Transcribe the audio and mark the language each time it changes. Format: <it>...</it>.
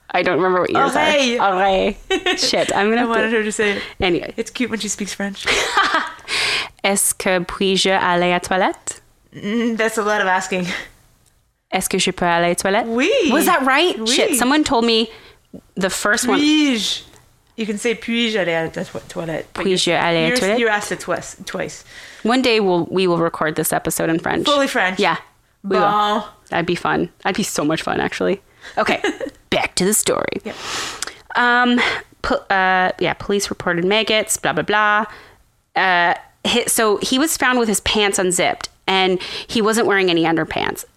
<en>I don't remember what you said.</en> <fr>Oreille.</fr> <en>Shit, I'm gonna. I wanted her to say. Anyway, it's cute when she speaks French.</en> <fr>Est-ce que puis-je aller à toilette?</fr> <en>That's a lot of asking.</en> <fr>Est-ce que je peux aller à toilette? Oui.</fr> <en>Was that right?</en> <fr>Oui.</fr> <en>Shit, someone told me the first</en> <fr>puis-je.</fr> <en>One.</en> <fr>Puis-je.</fr> <en>You can say</en> <fr>puis-je aller à la toilette. Puis-je aller à la toilette?</fr> <en>You're asked it twice. One day we will record this episode in French. Fully French. Yeah. We will. That'd be fun. That'd be so much fun, actually. Okay. Back to the story. Yep. Police reported maggots, blah, blah, blah. So he was found with his pants unzipped and he wasn't wearing any underpants.</en>